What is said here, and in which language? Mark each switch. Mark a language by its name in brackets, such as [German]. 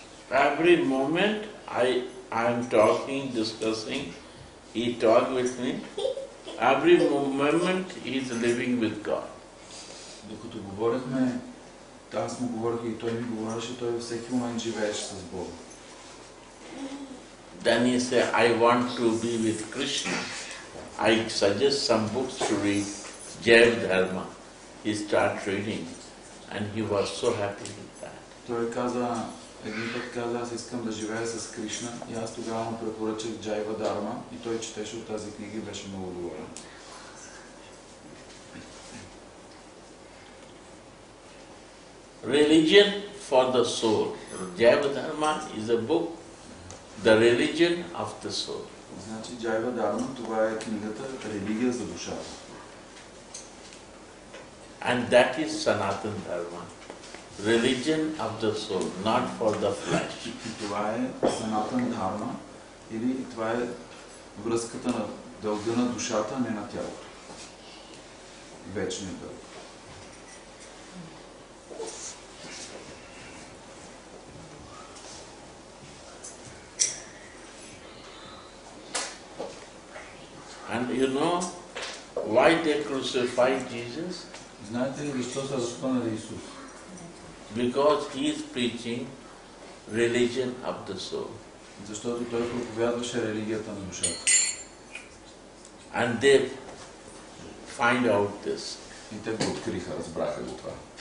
[English] Every moment I'm talking, discussing, he talk with me. Every moment he is living with God. [Bulgarian] Докато говорихме, аз му говорих и той ми говореше, той всеки момент живееше с Бога. [English] Then he say, I want to be with Krishna. I suggest some books to read, Jaya Dharma. He start reading and he was so happy with that. [Bulgarian] Той каза, един път каза, аз искам да живея с Кришна и аз тогава му препоръчах Джайва Дарма и той четеше от тази книга и беше много доволен. [English] religion for the soul. Jaiva Dharma is a book, the religion of the soul. [Bulgarian] Значи Jaiva Dharma, това е книгата религия за душата. [English] And that is Sanatana Dharma, religion of the soul, not for the flesh. [Bulgarian] Това е Sanatana Dharma, или това е връзката на дълга на душата, не на тялото. Вечният дълг. [English] And you know why they crucified Jesus? [Bulgarian] Знаете ли защо са разпънали Исус? [English] Because he is preaching religion of the soul. [Bulgarian] Защото той проповядваше религията на душата. [English] And they find out this. [Bulgarian] И те го откриха, разбраха го това.